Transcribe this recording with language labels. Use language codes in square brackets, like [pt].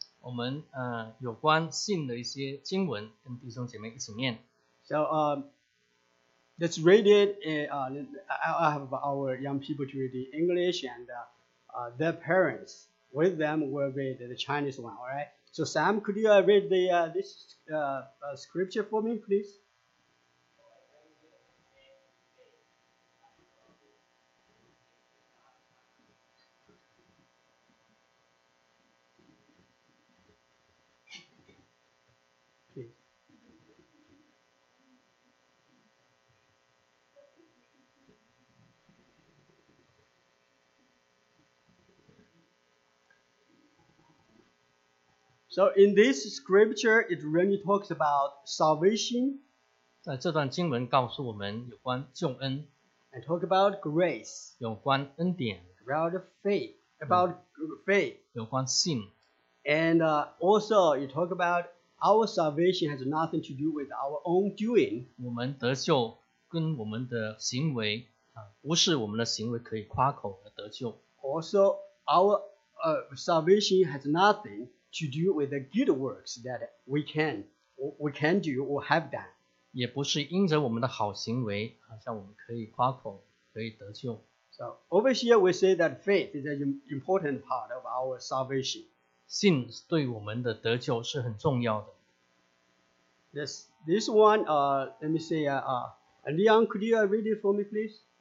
[zh] 我们有关信的一些经文跟弟兄姐妹一起念。 [en] So let's read it. I have our young people to read in English and their parents with them will read the Chinese one. All right. So Sam, could you read the scripture for me, please? So in this scripture, it really talks about salvation. [zh] 在这段经文告诉我们有关救恩。 [en] And talk about grace. [zh] 有关恩典。 [en] About faith. About faith. [zh] 有关信。 [en] And also, you talk about our salvation has nothing to do with our own doing. [zh] 我们得救跟我们的行为，不是我们的行为可以夸口而得救。 [en] Also, our salvation has nothing. To do with the good works that we can do or have done. [zh] 也不是因着我们的好行为，好像我们可以夸口，可以得救。 [en] So over here we say that faith is an important part of our salvation. [zh] 信对我们的得救是很重要的。 [en] This one, let me say, Leon, could you read it for me, please?